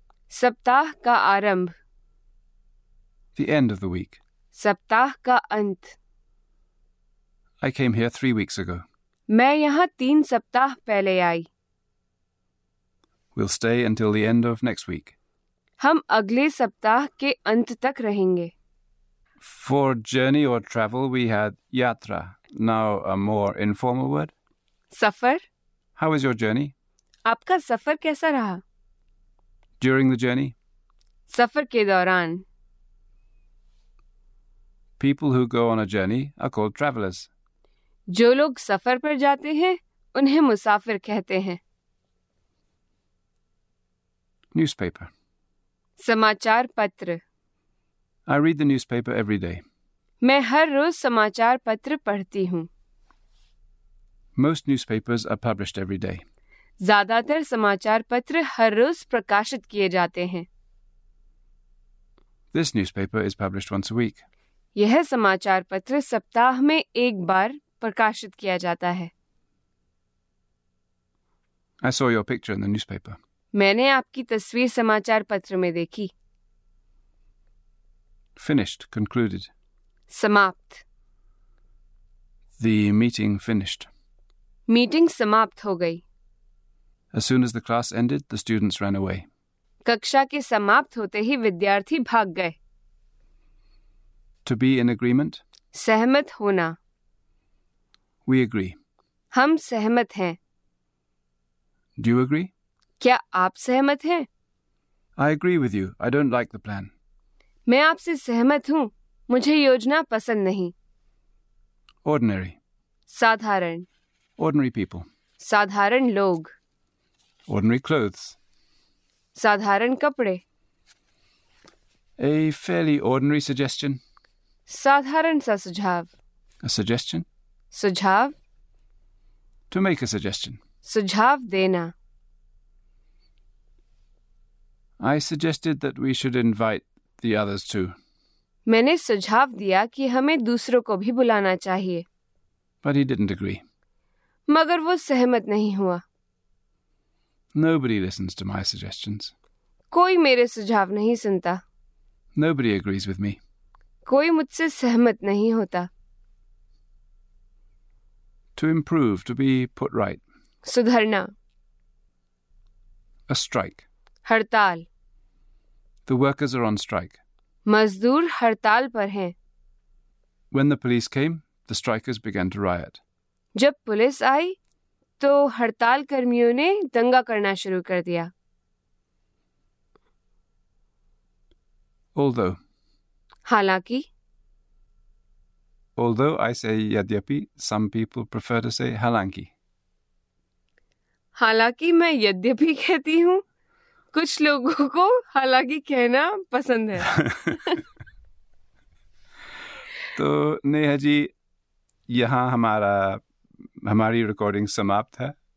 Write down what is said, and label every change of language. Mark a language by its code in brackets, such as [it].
[hi] सप्ताह का आरंभ. [en] The end of the week. [hi] सप्ताह का अंत. [en] I came here 3 weeks ago. [hi] मैं यहाँ 3 सप्ताह पहले आई. [en] We'll stay until the end of next week. [hi] हम अगले सप्ताह के अंत तक रहेंगे. [en] For journey or travel, we had yatra. Now a more informal word. [hi] Suffer. [en] How was your journey? [hi] आपका सफर कैसा रहा? [en] During the journey? [hi] सफर के दौरान. [en] People who go on a journey are called travelers. [hi] जो लोग सफर पर जाते हैं, उन्हें मुसाफिर कहते हैं. [en] Newspaper. [hi] समाचार पत्र. [en] I read the newspaper every day. [hi] मैं हर रोज समाचार पत्र पढ़ती हूँ. [en] Most newspapers are published every day. [hi] ज्यादातर समाचार पत्र हर रोज प्रकाशित किए जाते हैं. [en] This newspaper is published once a week. [hi] यह समाचार पत्र सप्ताह में एक बार प्रकाशित किया जाता है. [en] I saw your picture in the newspaper. [hi] मैंने आपकी तस्वीर समाचार पत्र में देखी. [en] Finished, concluded. [hi] समाप्त. [en] The meeting finished. [hi] मीटिंग समाप्त हो गई. [en] As soon as the class ended, the students ran away. [hi] कक्षा के समाप्त होते ही विद्यार्थी भाग गए. [en] To be in agreement. [hi] सहमत होना. [en] We agree. [hi] हम सहमत हैं. [en] Do you agree? [hi] क्या आप सहमत हैं? [en] I agree with you. I don't like the plan. [hi] मैं आपसे सहमत हूँ. मुझे योजना पसंद नहीं. [en] Ordinary. [hi] साधारण. [en] Ordinary people. [hi] साधारण लोग. [en] Ordinary clothes. [hi] साधारण कपड़े. [en] A fairly ordinary suggestion. [hi] साधारण सा सुझाव. [en] A suggestion. [hi] सुझाव. [en] To make a suggestion. [hi] सुझाव देना. [en] I suggested that we should invite the others too. [hi] मैंने सुझाव दिया कि हमें दूसरों को भी बुलाना चाहिए. [en] But he didn't agree. [hi] मगर वो सहमत नहीं हुआ. [en] Nobody listens to my suggestions. [hi] कोई मेरे सुझाव नहीं सुनता. [en] Nobody agrees with me. [hi] कोई मुझसे सहमत नहीं होता. [en] To improve, to be put right. [hi] सुधरना. [en] A strike. [hi] हड़ताल. [en] The workers are on strike. [hi] मजदूर हड़ताल पर हैं. [en] When the police came, the strikers began to riot. [hi] जब पुलिस आई तो हड़ताल कर्मियों ने दंगा करना शुरू कर दिया. [en] Although. [hi] हालांकि. [en] Although I say यद्यपि, some people prefer to say हालांकि. [hi] हालांकि मैं यद्यपि कहती हूँ, कुछ लोगों को हालांकि कहना पसंद है. तो नेहा जी, यहाँ हमारी रिकॉर्डिंग समाप्त है.